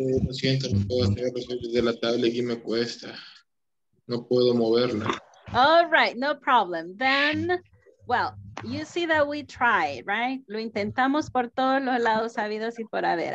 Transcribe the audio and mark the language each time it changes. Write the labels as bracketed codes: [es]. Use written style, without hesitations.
[es] Siento, no puedo hacer de la tabla y me cuesta. No puedo moverla. [en] All right, no problem. Then, well, you see that we tried, right? [es] Lo intentamos por todos los lados sabidos y por haber.